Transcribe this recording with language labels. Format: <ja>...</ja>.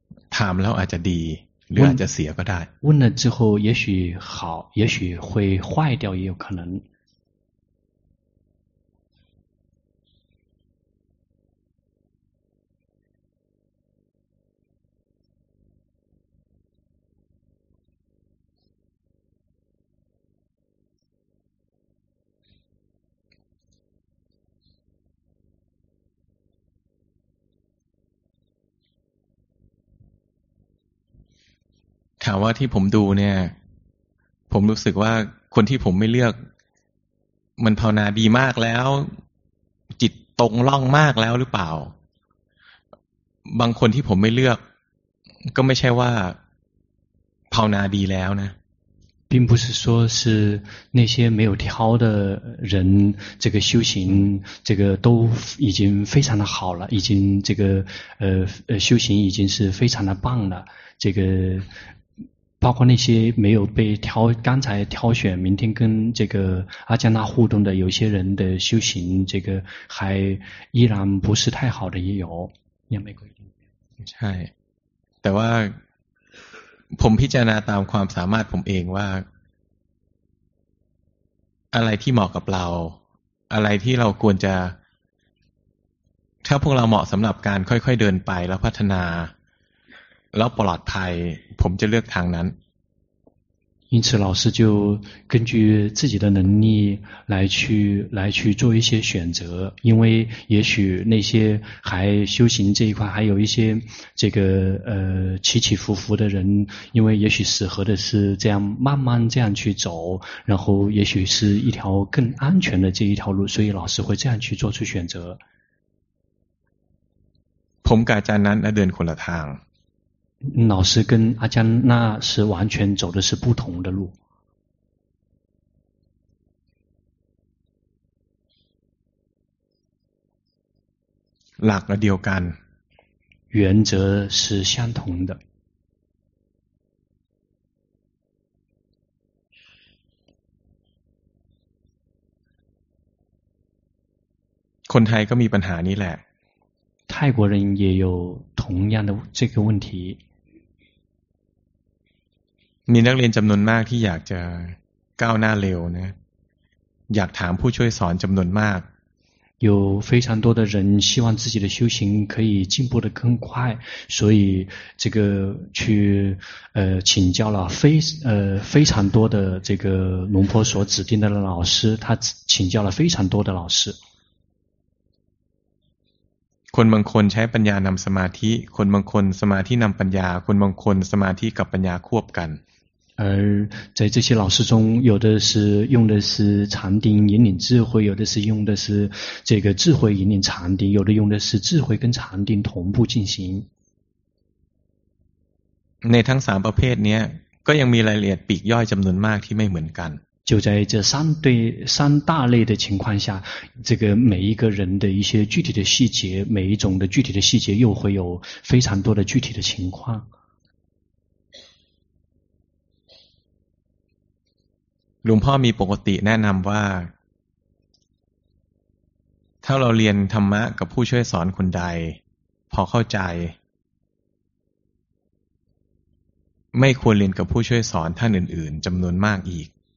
<th>ถามแล้วอาจจะดีหรืออาจจะเสียก็ได้</th> <zh>。问了之后，也许好，也许会坏掉，也有可能。</zh> <th>ถามว่าที่ผมดูเนี่ยผมรู้สึกว่าคนที่ผมไม่เลือกมันภาวนาดีมากแล้วจิตตรงล่องมากแล้วหรือเปล่าบางคนที่ผมไม่เลือกก็ไม่ใช่ว่าภาวนาดีแล้วนะ</th> <zh>并不是说是那些没有挑的人这个修行这个都已经非常的好了已经这个修行已经是非常的棒了这个包括那些没有被挑刚才挑选明天跟这个阿姜那互动的有些人的修行这个还依然不是太好的也有也没规定</zh> <th>ใช่แต่ว่าผมพิจารณาตามความสามารถผมเองว่าอะไรที่เหมาะกับเราอะไรที่เราควรจะถ้าพวกเราเหมาะสำหรับการค่อยๆเดินไปแล้วพัฒนาแล้วปลอดภัยผมจะเลือกทางนั้น</th> <zh>因此老师就根据自己的能力来去做一些选择因为也许那些还修行这一块还有一些这个起起伏伏的人因为也许适合的是这样慢慢这样去走然后也许是一条更安全的这一条路所以老师会这样去做出选择</zh> <th>ผมกับอาจารย์นั้นเดินคนละทาง</th> <zh>老师跟阿姜那是完全走的是不同的路。</zh> <th>หลักเดียวกัน</th> <zh>原则是相同的。</zh> <th>คนไทยก็มีปัญหานี้แหละ</th> <zh>泰国人也有同样的这个问题。</zh> <th>มีนักเรียนจำนวนมากที่อยากจะก้าวหน้าเร็วนะอยากถามผู้ช่วยสอนจำนวนมาก</th> <zh>有非常多的人希望自己的修行可以进步得更快所以这个去请教了非常多的这个龙坡所指定的老师他请教了非常多的老师</zh> <th>คนบางคนใช้ปัญญานำสมาธิคนบางคนสมาธินำปัญญาคนบางคนสมาธิกับปัญญาควบกัน</th> <zh>而在这些老师中有的是用的是禅定引领智慧有的是用的是这个智慧引领禅定有的用的是智慧跟禅定同步进行</zh> <th>ในทั้งสามประเภทนี้ก็ยังมีรายละเอียดปีกย่อยจำนวนมากที่ไม่เหมือนกัน</th> <zh>就在这三对三大类的情况下，这个每一个人的一些具体的细节，每一种的具体的细节，又会有非常多的具体的情况。</zh> <th>ลุงพ่อมีปกติแนะนำว่าถ้าเราเรียนธรรมะกับผู้ช่วยสอนคนใดพอเข้าใจไม่ควรเรียนกับผู้ช่วยสอนท่านอื่นๆจำนวนมากอีก</th>